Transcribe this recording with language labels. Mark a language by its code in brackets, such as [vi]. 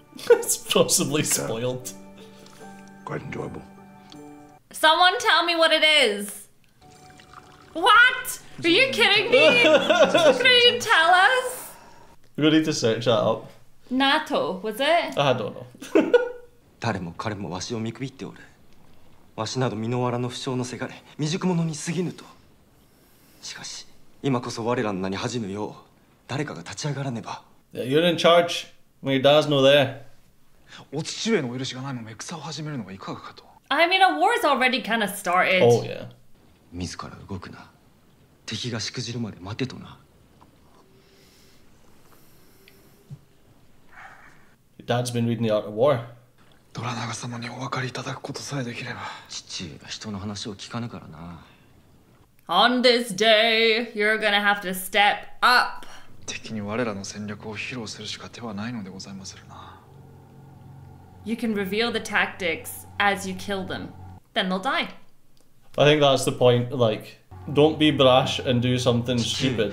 [en] It's possibly spoiled. Quite enjoyable. Someone tell me what it is. What? Are you kidding me? Can you tell us? We're going to need to search that up. Natto, was it? I don't know. [ja] 誰も彼もわしを見くびっておる。わしなど身の藁の不肖のせがれ、未熟者に過ぎぬと。しかし、今こそ我らの名に恥じぬよう、誰かが立ち上がらねば。 [en] Yeah, you're in charge. My dad's not there. [ja] お父上のお許しがないまま戦を始めるのはいかがかと。 [en] I mean, a war's already kind of started. Oh, yeah. [ja] 自ら動くな。敵がしくじるまで待てとな。 [en] Your dad's been reading the Art of War. [ja] ドラナガ様にお分かりいただくことさえできれば。父上が人の話を聞かぬからな。 [en] On this day, you're gonna have to step up. [ja] 敵に我らの戦略を披露するしか手はないのでございますな。 [en] You can reveal the tactics as you kill them. Then they'll die. I think that's the point. Like, don't be brash and do something stupid.